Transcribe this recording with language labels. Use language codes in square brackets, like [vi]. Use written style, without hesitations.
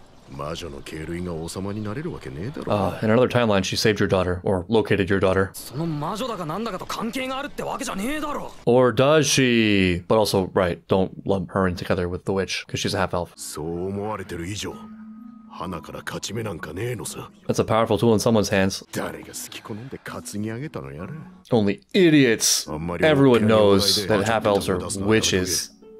[ja] 魔女の系類が王様になれるわけねえだろ。 [en] In another timeline, she saved your daughter, or located your daughter. [ja] その魔女だかなんだかと関係があるってわけじゃねえだろ。 [en] Or does she? But also, right, don't lump her in together with the witch, because she's a half-elf. [ja] そう思われてる以上。 [en] That's a powerful tool in someone's hands. Only idiots. Everyone knows that half-elves are witches.